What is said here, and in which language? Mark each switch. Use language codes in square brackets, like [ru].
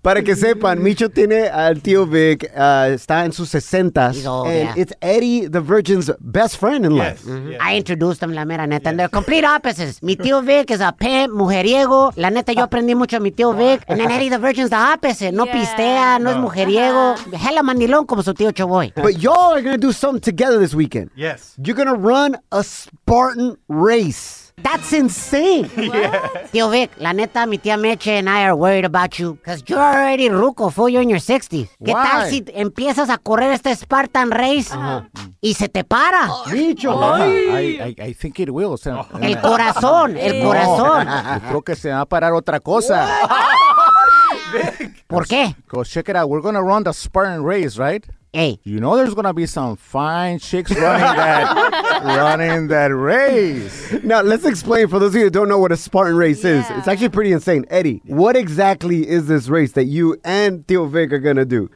[es] Para que sepan, Micho tiene al tío Vic, está en sus sesentas. [en] It's Eddie, the virgin's best friend in life. Mm-hmm. Yes. I introduced them, [es] la mera neta, [en] and they're complete opposites. Mi tío Vic is a pimp, mujeriego. [es] La neta, yo aprendí mucho a mi tío Vic. [en] And then Eddie, the virgin's the opposite. [es] No pistea, no es mujeriego. [en] Hella [es] mandilón como su tío Choboy. [en] But y'all are going to do something together this weekend. Yes. You're going to run a Spartan race. That's insane. What? Tio Vic, [es] la neta, mi tía Meche [en] and I are worried about you because you're already ruco, fool. You're in your 60s. Why? [es] ¿Qué tal si empiezas a correr este Spartan race y se te para? Micho. [en] I think it will. So, [es] el corazón, el corazón. No, creo que se va a parar otra cosa. Vic. ¿Por qué? [en] Because check it out. We're going to run the Spartan race, right? Hey. You know there's going to be some fine chicks running that running that race. Now, let's explain for those of you who don't know what a Spartan race is. It's actually pretty insane. Eddie, what exactly is this race that you and Tio Vic are going to do?